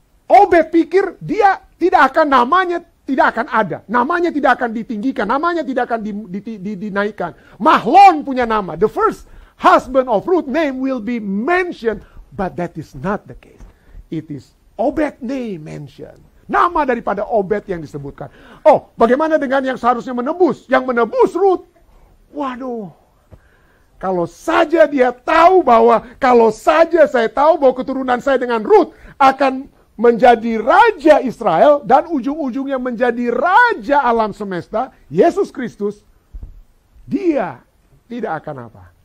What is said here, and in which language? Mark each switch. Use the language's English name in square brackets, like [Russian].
[Indonesian] Obed pikir dia tidak akan, namanya tidak akan ada. Namanya tidak akan ditinggikan. Namanya tidak akan dinaikkan. Mahlon punya nama. [English] The first husband of Ruth name will be mentioned. But that is not the case. It is Obed name mentioned. [Indonesian] Nama daripada Obed yang disebutkan. Oh, bagaimana dengan yang seharusnya menebus? Yang menebus Ruth. Waduh. Kalau saja dia tahu bahwa, kalau saja saya tahu bahwa keturunan saya dengan Ruth akan menjadi raja Israel dan ujung-ujungnya menjadi raja alam semesta, Yesus Kristus, dia tidak akan apa?